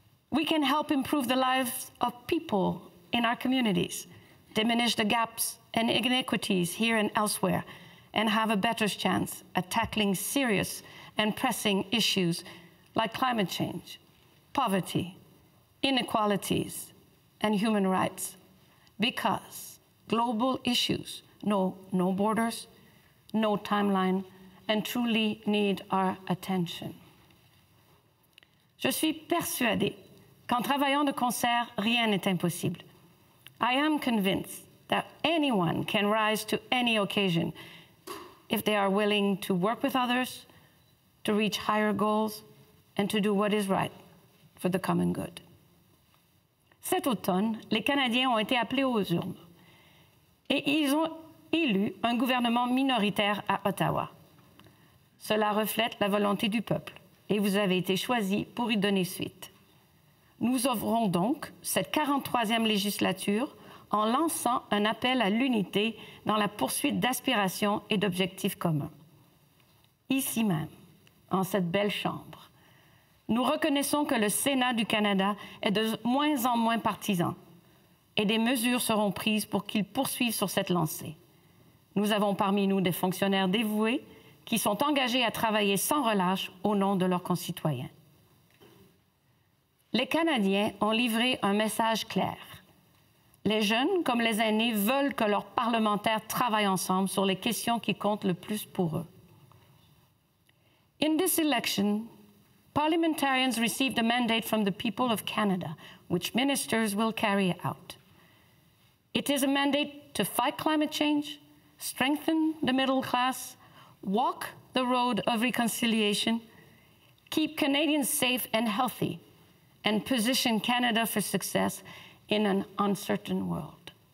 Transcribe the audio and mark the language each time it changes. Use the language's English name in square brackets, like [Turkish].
[English] We can help improve the lives of people in our communities, diminish the gaps and inequities here and elsewhere, and have a better chance at tackling serious and pressing issues like climate change, poverty, inequalities, and human rights. Because global issues know no borders, no timeline, and truly need our attention. [French] Je suis persuadée qu'en travaillant de concert, rien n'est impossible. [English] I am convinced that anyone can rise to any occasion if they are willing to work with others, to reach higher goals, and to do what is right for the common good. [French] Cet automne, les Canadiens ont été appelés aux urnes et ils ont élu un gouvernement minoritaire à Ottawa. Cela reflète la volonté du peuple et vous avez été choisis pour y donner suite. Nous ouvrons donc cette 43e législature en lançant un appel à l'unité dans la poursuite d'aspirations et d'objectifs communs. Ici même, en cette belle chambre, nous reconnaissons que le Sénat du Canada est de moins en moins partisan et des mesures seront prises pour qu'il poursuive sur cette lancée. Nous avons parmi nous des fonctionnaires dévoués qui sont engagés à travailler sans relâche au nom de leurs concitoyens. Les Canadiens ont livré un message clair. Les jeunes, comme les aînés, veulent que leurs parlementaires travaillent ensemble sur les questions qui comptent le plus pour eux. [English] In this election, parliamentarians received a mandate from the people of Canada, which ministers will carry out. It is a mandate to fight climate change, strengthen the middle class, walk the road of reconciliation, keep Canadians safe and healthy, and position Canada for success in an uncertain world.